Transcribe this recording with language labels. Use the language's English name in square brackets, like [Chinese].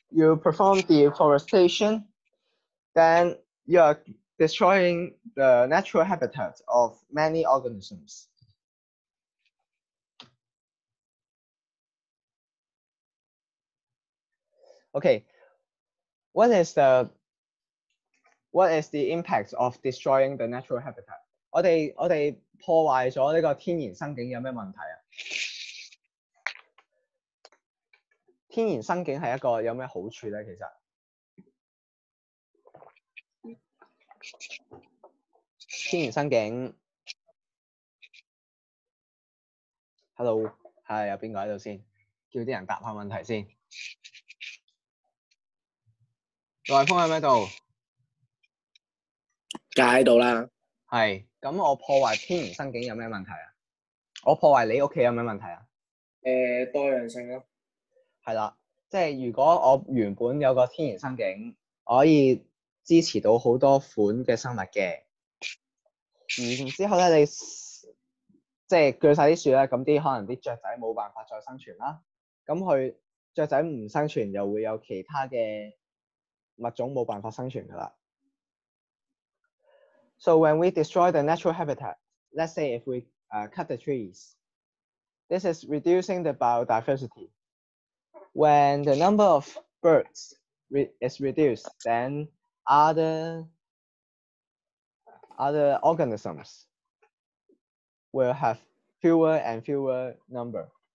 [English] You perform deforestation, then you are destroying the natural habitat of many organisms. Okay. What is the impact of destroying the natural habitat? [Cantonese] 我哋破壞咗呢個天然生境有咩問題啊？天然生境係一個有咩好處咧？其實天然生境 ，Hello， 係有邊個喺度先？叫啲人答下問題先。羅偉峰喺咩度？就喺度啦。係，咁我破壞天然生境有咩問題啊？我破壞你屋企有咩問題啊？多樣性咯。係啦，即係如果我原本有個天然生境，可以支持到好多款嘅生物嘅。然之後咧，你即係鋸曬啲樹咧，咁啲可能啲雀仔冇辦法再生存啦。咁佢雀仔唔生存，又會有其他嘅物種冇辦法生存噶啦。 [English] So when we destroy the natural habitat, let's say if we cut the trees, this is reducing the biodiversity. When the number of birds is reduced, then other organisms will have fewer and fewer number.